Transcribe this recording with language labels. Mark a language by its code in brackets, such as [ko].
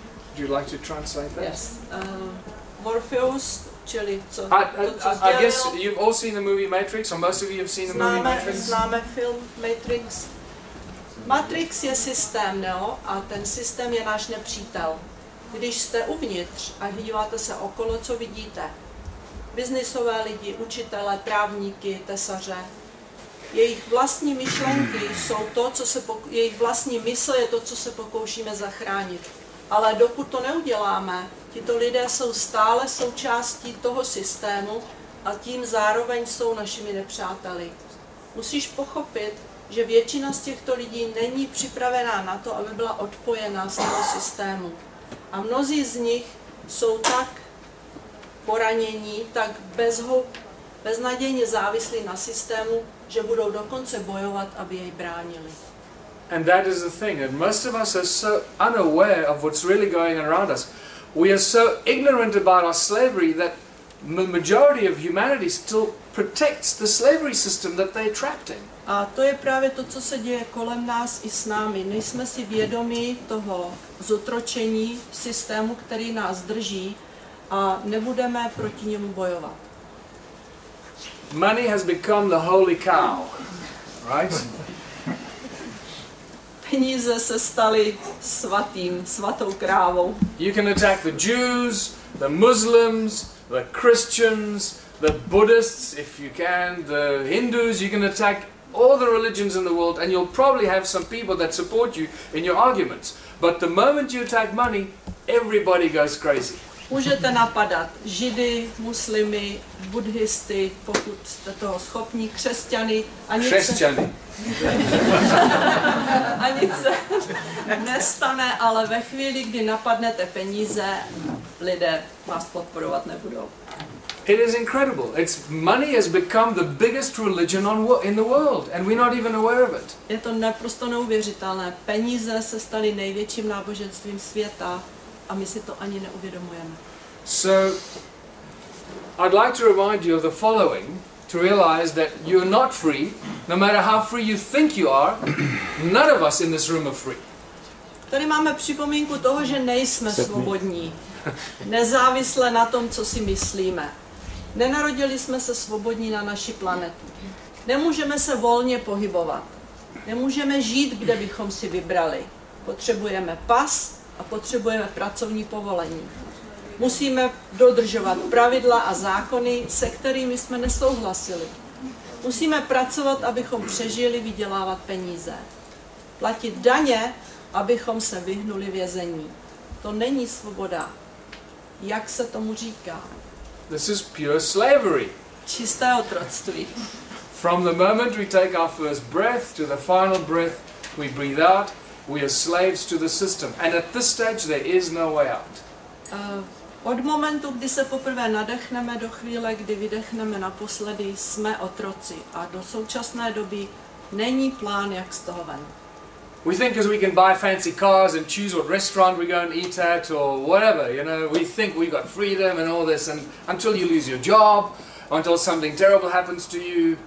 [en] Would you like to translate that? Yes. [cs] Morpheus, čili co? [en] I guess you've all seen the movie Matrix, or most of you have seen the movie Matrix. [cs] Známe film Matrix. Matrix je systém, Neo, a ten systém je náš nepřítel. Když jste uvnitř a díváte se okolo, co vidíte? Biznisové lidi, učitele, právníky, tesaře. Jejich vlastní myšlenky jsou to, co se jejich vlastní mysl je to, co se pokoušíme zachránit. Ale dokud to neuděláme, tito lidé jsou stále součástí toho systému a tím zároveň jsou našimi nepřáteli. Musíš pochopit, že většina z těchto lidí není připravená na to, aby byla odpojená z toho systému. A mnozí z nich jsou tak poranění, tak beznadějně závislí na systému, že budou dokonce bojovat, aby jej bránili. [en] And that is the thing, that most of us are so unaware of what's really going around us. We are so ignorant about our slavery that the majority of humanity still protects the slavery system that they're trapped in. [cs] A to je právě to, co se děje kolem nás i s námi. Nejsme si vědomi toho zotročení systému, který nás drží, a nebudeme proti němu bojovat. [en] Money has become the holy cow, right? [cs] Peníze se staly svatou krávou. [en] You can attack the Jews, the Muslims, the Christians, the Buddhists, if you can, the Hindus, you can attack all the religions in the world, and you'll probably have some people that support you in your arguments. But the moment you attack money, everybody goes crazy. [cs] Můžete napadat Židy, muslimy, buddhisty, pokud jste toho schopní, křesťany. Křesťany. A nic se nestane, ale ve chvíli, kdy napadnete peníze, lidé vás podporovat nebudou. [en] It is incredible. It's money has become the biggest religion in the world, and we're not even aware of it. [cs] Je to naprosto neuvěřitelné. Peníze se staly největším náboženstvím světa, a my si to ani neuvědomujeme. [en] So, I'd like to remind you of the following, to realize that you're not free, no matter how free you think you are, none of us in this room are free. [cs] Tady máme připomínku toho, že nejsme svobodní. Nezávisle na tom, co si myslíme. Nenarodili jsme se svobodní na naší planetu. Nemůžeme se volně pohybovat. Nemůžeme žít, kde bychom si vybrali. Potřebujeme pas a potřebujeme pracovní povolení. Musíme dodržovat pravidla a zákony, se kterými jsme nesouhlasili. Musíme pracovat, abychom přežili, vydělávat peníze. Platit daně, abychom se vyhnuli vězení. To není svoboda. Jak se tomu říká? [en] This is pure slavery. [cs] Čisté otroctví. [en] From the moment we take our first breath to the final breath we breathe out, we are slaves to the system. And at this stage there is no way out. [cs] Od momentu, kdy se poprvé nadechneme do chvíle, kdy vydechneme naposledy, jsme otroci. A do současné doby není plán, jak z toho ven. [en] We think as we can buy fancy cars and choose what restaurant we go and eat at or whatever, you know, we think we got freedom and all this, and until you lose your job, until something terrible happens to you.